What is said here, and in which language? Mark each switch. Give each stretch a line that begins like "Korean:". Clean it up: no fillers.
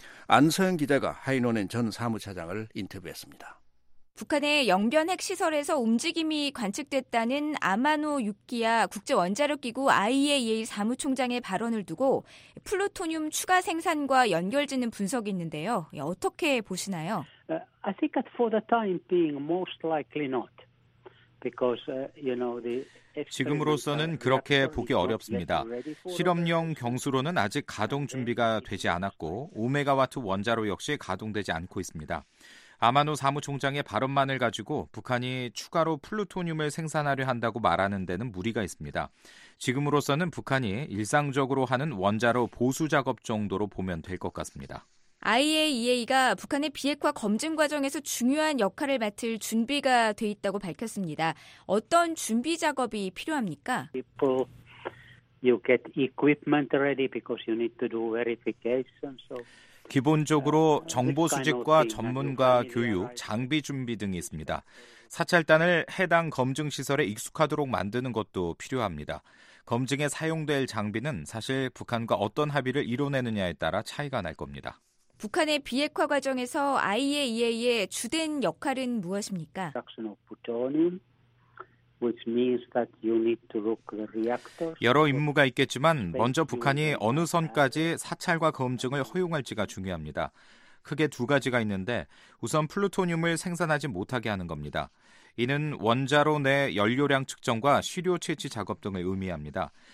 Korean: 안서영 기자가 하이노넨 전 사무차장을 인터뷰했습니다. 북한의 영변 핵시설에서 움직임이 관측됐다는 아마노 유키야 국제원자력기구 IAEA 사무총장의 발언을 두고 플루토늄 추가 생산과 연결짓는 분석이 있는데요. 어떻게 보시나요?
English: I think that for the time being, most likely not. Because, you know, the
Korean: 지금으로서는 그렇게 보기 어렵습니다. 실험용 경수로는 아직 가동 준비가 되지 않았고 5메가와트 원자로 역시 가동되지 않고 있습니다. 아마노 사무총장의 발언만을 가지고 북한이 추가로 플루토늄을 생산하려 한다고 말하는 데는 무리가 있습니다. 지금으로서는 북한이 일상적으로 하는 원자로 보수 작업 정도로 보면 될 것 같습니다. IAEA가 북한의 비핵화 검증 과정에서 중요한 역할을 맡을 준비가 돼 있다고 밝혔습니다. 어떤 준비 작업이 필요합니까?
English: You get equipment ready because you need to do verification. So
Korean: 기본적으로 정보 수집과 전문가 교육, 장비 준비 등이 있습니다. 사찰단을 해당 검증 시설에 익숙하도록 만드는 것도 필요합니다. 검증에 사용될 장비는 사실 북한과 어떤 합의를 이뤄내느냐에 따라 차이가 날 겁니다. 북한의 비핵화 과정에서 IAEA의 주된 역할은 무엇입니까?
English: Which means that you need to look the reactors.
Korean: 여러 임무가 있겠지만 먼저 북한이 어느 선까지 사찰과 검증을 허용할지가 중요합니다. 크게 두 가지가 있는데 우선 플루토늄을 생산하지 못하게 하는 겁니다. 이는 원자로 내 연료량 측정과 시료 채취 작업 등을 의미합니다.